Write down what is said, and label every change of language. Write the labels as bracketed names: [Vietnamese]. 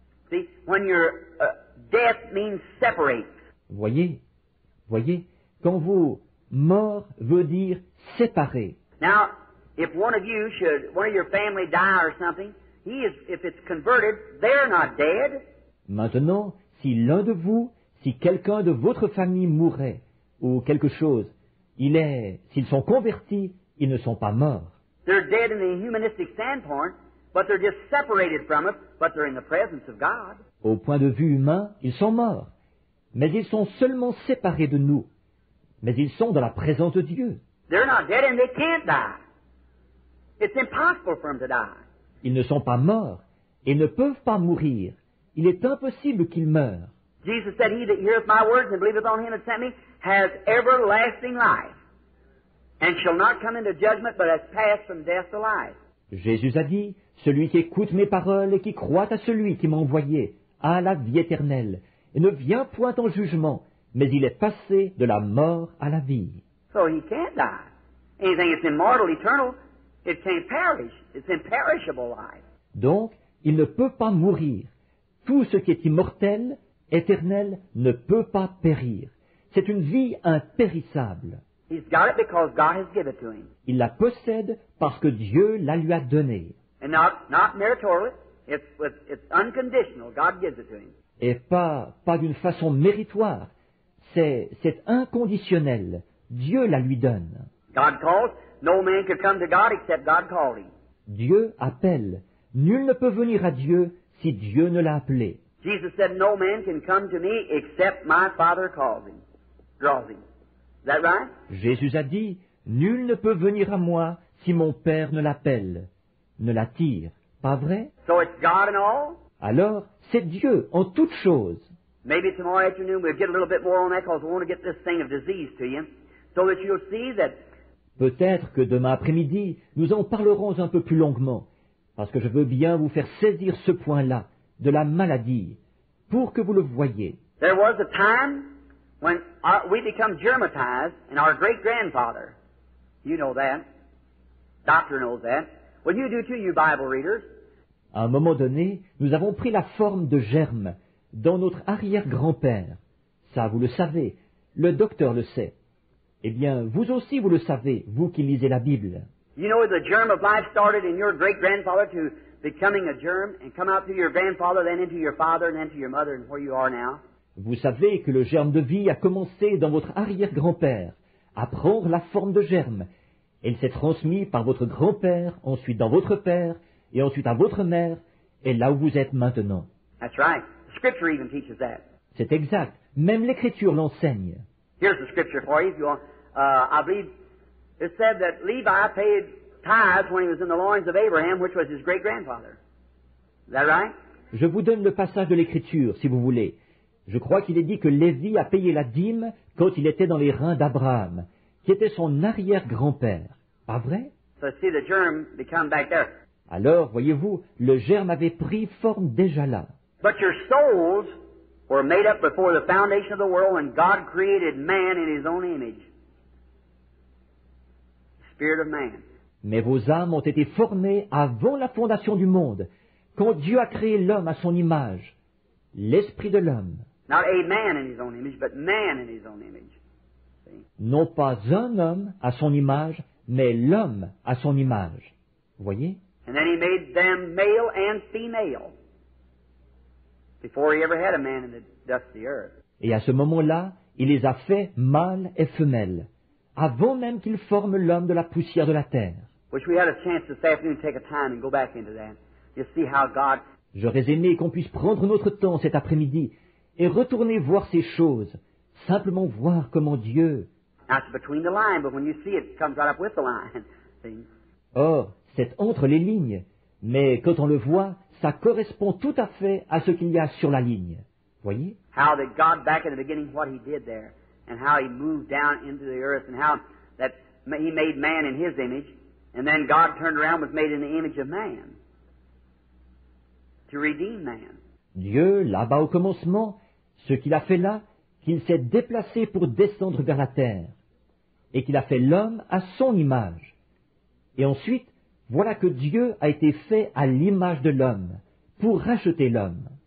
[English] See, when you're, death means separate. [French] Voyez, quand vous mort veut dire séparé. [English] Now, if one of you should, one of your family die or something, he is, if it's converted, they're not dead. [French] Maintenant, si l'un de vous, si quelqu'un de votre famille mourait, ou quelque chose, il est, s'ils sont convertis, ils ne sont pas morts. [English] They're dead in the humanistic standpoint, but they're just separated from us, but they're in the presence of God. [French] Au point de vue humain, ils sont morts, mais ils sont seulement séparés de nous, mais ils sont dans la présence de Dieu. [English] They're not dead and they can't die. It's impossible for them to die. [French] Ils ne sont pas morts et ne peuvent pas mourir. Il est impossible qu'ils meurent. [English] Jesus said, he that heareth my words and believeth on him that sent me has everlasting life and shall not come into judgment but has passed from death to life. [French] Jésus a dit, celui qui écoute mes paroles et qui croit à celui qui m'a envoyé a la vie éternelle et ne vient point en jugement, mais il est passé de la mort à la vie. [English] So he can't die. Anything that's immortal, eternal, it can't perish. It's imperishable life. [French] Donc, il ne peut pas mourir. Tout ce qui est immortel, éternel, ne peut pas périr. C'est une vie impérissable. [English] He's got it because God has given it to him. [French] Il la possède parce que Dieu la lui a donnée. [English] And not meritorious, it's unconditional. God gives it to him. [French] Et pas d'une façon méritoire. C'est inconditionnel. Dieu la lui donne. [English] God calls. No man can come to God except God called him. [French] Dieu appelle. Nul ne peut venir à Dieu si Dieu ne l'a appelé. [English] Jesus said, no man can come to me except my Father calls him. Draws him. Is that right? [French] Jésus a dit, nul ne peut venir à moi si mon Père ne l'appelle, ne l'attire. Pas vrai? [English] So it's God and all? [French] Alors, c'est Dieu en toutes choses. [English] Maybe tomorrow afternoon we'll get a little bit more on that because we want to get this thing of disease to you. So that you'll see that. [French] Peut-être que demain après-midi, nous en parlerons un peu plus longuement, parce que je veux bien vous faire saisir ce point-là, de la maladie, pour que vous le voyiez. [English] There was a time when we become germatized, and our great-grandfather, you know that, doctor knows that, well you do too, you Bible readers. [French] À un moment donné, nous avons pris la forme de germe dans notre arrière-grand-père. Ça, vous le savez, le docteur le sait. Eh bien, vous aussi, vous le savez, vous qui lisez la Bible. [English] You know, the germ of life started in your great-grandfather to becoming a germ and come out to your grandfather, then into your father, and then to your mother, and where you are now. [French] Vous savez que le germe de vie a commencé dans votre arrière-grand-père, à prendre la forme de germe. Il s'est transmis par votre grand-père, ensuite dans votre père, et ensuite à votre mère, et là où vous êtes maintenant. [English] That's right. The scripture even teaches that. [French] C'est exact. Même l'Écriture l'enseigne. [English] Here's the scripture for you. If you want, I believe it said that Levi paid tithes when he was in the loins of Abraham, which was his great-grandfather. Is that right? [French] Je vous donne le passage de l'Écriture, si vous voulez. Je crois qu'il est dit que Lévi a payé la dîme quand il était dans les reins d'Abraham, qui était son arrière-grand-père. Pas vrai? [English] So see the germ become back there. [French] Alors, voyez-vous, le germe avait pris forme déjà là. [English] But your souls were made up before the foundation of the world when God created man in his own image. Spirit of man. [French] Mais vos âmes ont été formées avant la fondation du monde, quand Dieu a créé l'homme à son image, l'esprit de l'homme. [English] Not a man in his own image, but man in his own image. See? [French] Non pas un homme à son image, mais l'homme à son image. Voyez? [English] And then he made them male and female. Before he ever had a man in the dust of the earth. [French] Et à ce moment-là, il les a fait mâles et femelles, avant même qu'ils forment l'homme de la poussière de la terre. [English] Which we had a chance this afternoon to take a time and go back into that. You see how God. [French] J'aurais aimé qu'on puisse prendre notre temps cet après-midi et retourner voir ces choses, simplement voir comment Dieu. [English] That's between the line, but when you see it, it comes right up with the line. See? [French] Or, c'est entre les lignes, mais quand on le voit, ça correspond tout à fait à ce qu'il y a sur la ligne. Voyez? [English] How did God back in the beginning what he did there and how he moved down into the earth and how that he made man in his image and then God turned around and was made in the image of man to redeem man. [French] Dieu, là-bas au commencement, ce qu'il a fait là, qu'il s'est déplacé pour descendre vers la terre, et qu'il a fait l'homme à son image. Et ensuite, voilà que Dieu a été fait à l'image de l'homme, pour racheter l'homme.